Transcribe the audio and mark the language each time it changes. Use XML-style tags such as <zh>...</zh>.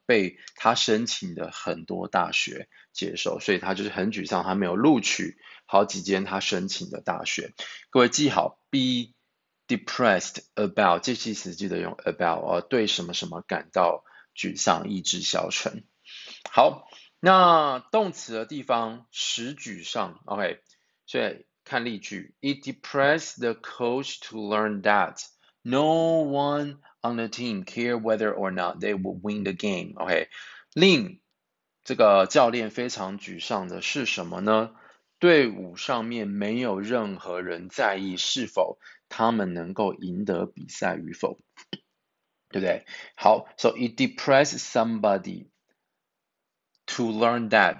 <zh>被她申请的很多大学接受，所以她就是很沮丧，她没有录取好几间她申请的大学。各位记好，B。Depressed about 介系词记得用 about 对什么什么感到沮丧、意志消沉。好，那动词的地方使沮丧。</zh> <en>OK，</en> <zh>所以看例句：</zh> <en>It depressed the coach to learn that no one on the team cared whether or not they would win the game.</en> <zh>OK，令这个教练非常沮丧的是什么呢？队伍上面没有任何人在意是否他们能够赢得比赛与否，对不对？</zh> <en>好，so it depressed somebody to learn that。</en>